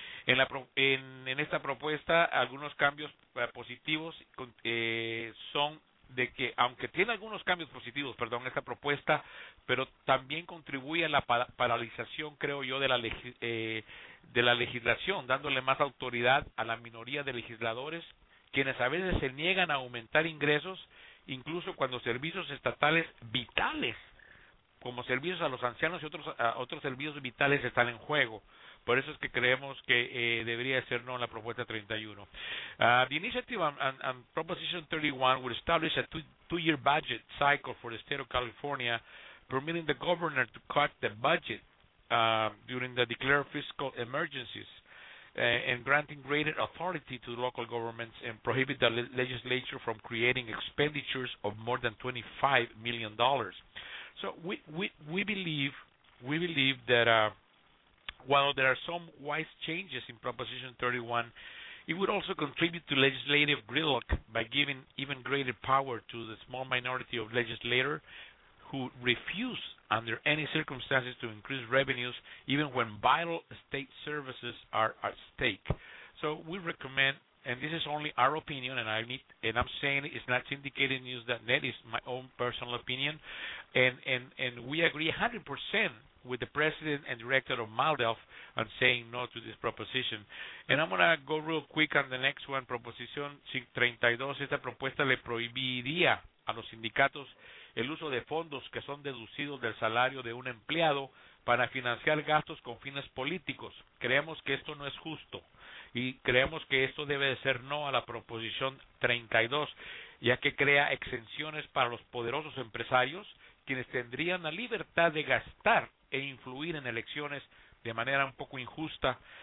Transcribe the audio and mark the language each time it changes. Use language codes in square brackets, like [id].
[es] En esta propuesta, algunos cambios positivos son de que, aunque tiene algunos cambios positivos, perdón, esta propuesta, pero también contribuye a la paralización, creo yo, de la legislación, dándole más autoridad a la minoría de legisladores, quienes a veces se niegan a aumentar ingresos, incluso cuando servicios estatales vitales, como servicios a los ancianos y otros servicios vitales están en juego. Por eso es que creemos que debería ser no la propuesta 31. [en] The initiative on Proposition 31 would establish a two-year budget cycle for the state of California, permitting the governor to cut the budget during the declared fiscal emergencies and granting greater authority to local governments and prohibit the legislature from creating expenditures of more than $25 million. So we believe that while there are some wise changes in Proposition 31, it would also contribute to legislative gridlock by giving even greater power to the small minority of legislators who refuse under any circumstances to increase revenues even when vital state services are at stake. So we recommend, and this is only our opinion, and I'm saying it's not syndicated news, that net is my own personal opinion, and we agree 100% with the president and director of MALDEF on saying no to this proposition. And I'm going to go real quick on the next one, Proposición 32. [es] Esta propuesta le prohibiría a los sindicatos el uso de fondos que son deducidos del salario de un empleado para financiar gastos con fines políticos. Creemos que esto no es justo y creemos que esto debe de ser no a la Proposición 32, ya que crea exenciones para los poderosos empresarios, quienes tendrían la libertad de gastar e influir en elecciones de manera un poco injusta.